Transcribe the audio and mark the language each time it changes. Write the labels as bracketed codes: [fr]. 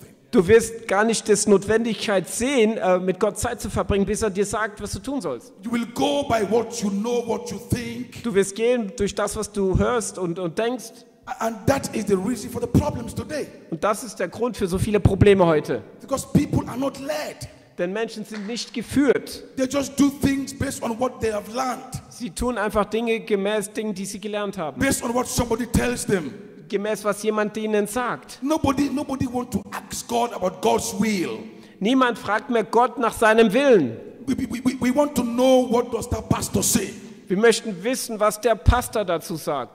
[de] Du wirst gar nicht die Notwendigkeit sehen, mit Gott Zeit zu verbringen, bis er dir sagt, was du tun sollst. Du wirst gehen durch das, was du hörst und denkst. [en] And that is the reason for the problems today. [de] Und das ist der Grund für so viele Probleme heute. [en] Because people are not led. [de] Denn Menschen sind nicht geführt. [en] They just do things based on what they have learned. [de] Sie tun einfach Dinge gemäß Dingen, die sie gelernt haben. [en] Based on what somebody tells them. [de] Gemäß was jemand ihnen sagt. [en] Nobody want to ask God about God's will. [de] Niemand fragt mehr Gott nach seinem Willen. [en] We want to know what does that pastor say. [de] Wir möchten wissen, was der Pastor dazu sagt.